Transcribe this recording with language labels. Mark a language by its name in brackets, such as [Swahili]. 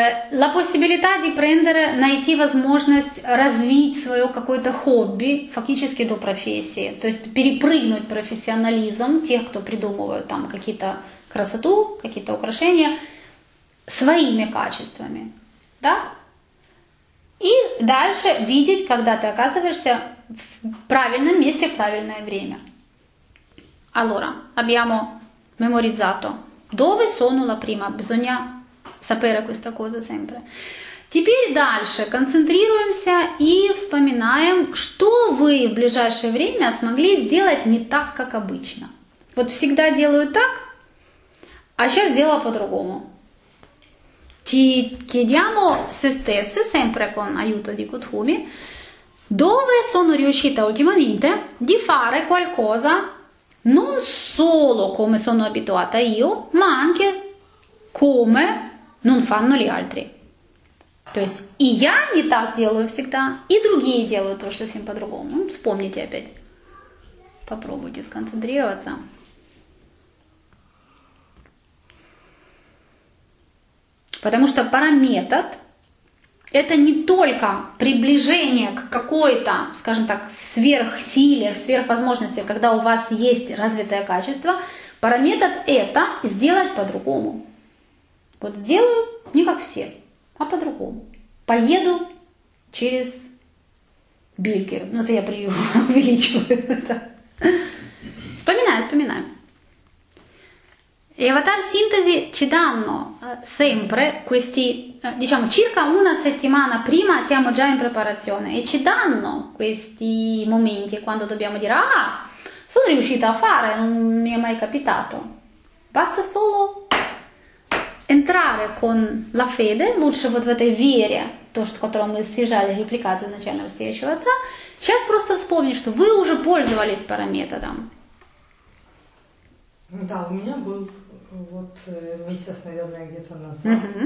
[Italian] La possibilità di prendere, [Russian] найти возможность развить свое какое-то хобби фактически до профессии, то есть перепрыгнуть профессионализм тех, кто придумывают там какие-то красоту, какие-то украшения своими качествами, да? И дальше видеть, когда ты оказываешься в правильном месте в правильное время. [Italian] Allora, abbiamo memorizzato. Dove sono la prima? Bisogna sapere questa cosa sempre. [Russian] Теперь дальше концентрируемся и вспоминаем, что вы в ближайшее время смогли сделать не так, как обычно. Вот всегда делаю так, а сейчас делаю по-другому. [Italian] Ci chiediamo se stesse, sempre con aiuto di Kutumi, dove sono riuscita ultimamente di fare qualcosa non solo come sono abituata io, ma anche come non fanno gli altri. [Russian] То есть и я не так делаю всегда, и другие делают тоже совсем по-другому. Вспомните опять. Попробуйте сконцентрироваться. Потому что параметод – это не только приближение к какой-то, скажем так, сверхсиле, сверхвозможности, когда у вас есть развитое качество. Параметод – это сделать по-другому. Вот сделаю не как все, а по-другому. Поеду через Бюргер. Ну, это я преувеличиваю. Вспоминаю. [Italian] E avatar sintesi ci danno sempre questi, diciamo, circa una settimana prima siamo già in preparazione e ci danno questi momenti quando dobbiamo dire ah, sono riuscita a fare, non mi è mai capitato. Basta solo entrare con la fede, [Russian] лучше вот в этой вере, то, что, которую мы съезжали, репликацию изначального стоящего отца, сейчас просто вспомнить, что вы уже пользовались параметодом. Да, у меня был вот месяц, наверное, где-то назад.